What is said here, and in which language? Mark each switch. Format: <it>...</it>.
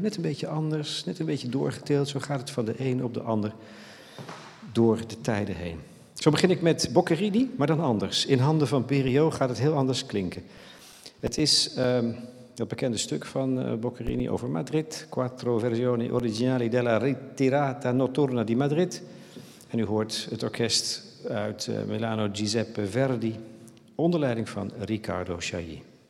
<nl>Net een beetje anders, net een beetje doorgeteeld. Zo gaat het van de een op de ander door de tijden heen. Zo begin ik met Boccherini, maar dan anders. In handen van Berio gaat het heel anders klinken. Het is dat bekende stuk van Boccherini over Madrid.</nl> <it>Quattro versioni originali della ritirata notturna di Madrid.</it> <nl>En u hoort het orkest uit Milano Giuseppe Verdi. Onder leiding van Ricardo Chailly.</nl>